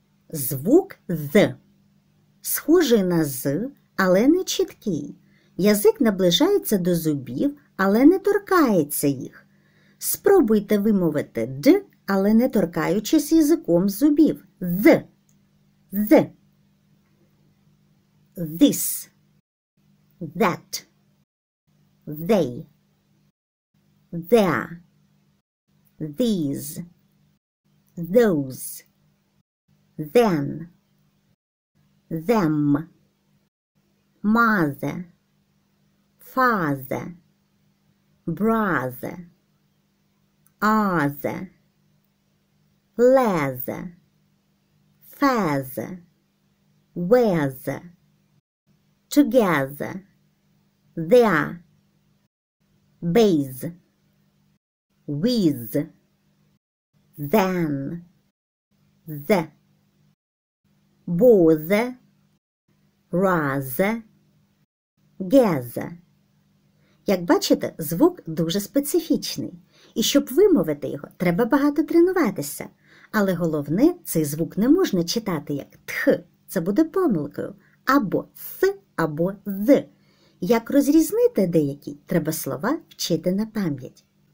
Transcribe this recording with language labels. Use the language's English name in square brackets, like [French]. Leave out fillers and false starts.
[Ukrainian] Звук «з» схожий на «з», але не чіткий. Язик наближається до зубів, але не торкається їх. Спробуйте вимовити «д», але не торкаючись язиком зубів. «З», «з». [English] This, that, they, there, these, those, then, them, mother, father, brother, other, leather, feather, weather, together, there, base, with, then, the, bother, rather, gather. [Ukrainian] Як бачите, звук дуже специфічний. І щоб вимовити його, треба багато тренуватися. Але головне, цей звук не можна читати як «тх», це буде помилкою, або «с», або «з». Як розрізнити деякі, треба слова вчити на пам'ять.